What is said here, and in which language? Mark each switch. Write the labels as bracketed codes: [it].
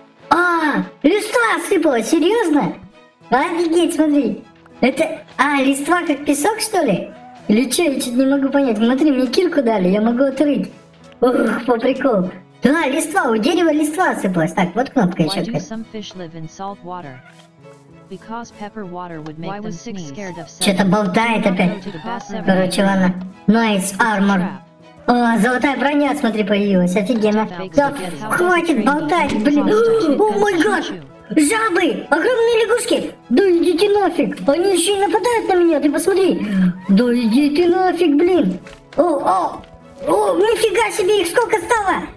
[ru] А, листва осыпало, серьезно? Офигеть, смотри! Это... А, листва как песок, что ли? Или что? Я что-то не могу понять. Смотри, мне кирку дали, я могу отрыть. Ух, по приколу. Да, листва, у дерева листва осыпалась. Так, вот кнопка еще. [en] Why do some fish live in salt water? Because pepper water would make them sneeze. [ru] Что-то болтает опять. Короче, ладно. [en] Nice armor. [ru] О, золотая броня, смотри, появилась. Офигенно. Да, хватит болтать, блин. О май гад! Жабы! Огромные лягушки! Да иди ты нафиг! Они еще и нападают на меня, ты посмотри! Да иди ты нафиг, блин! О, нифига себе, их сколько стало!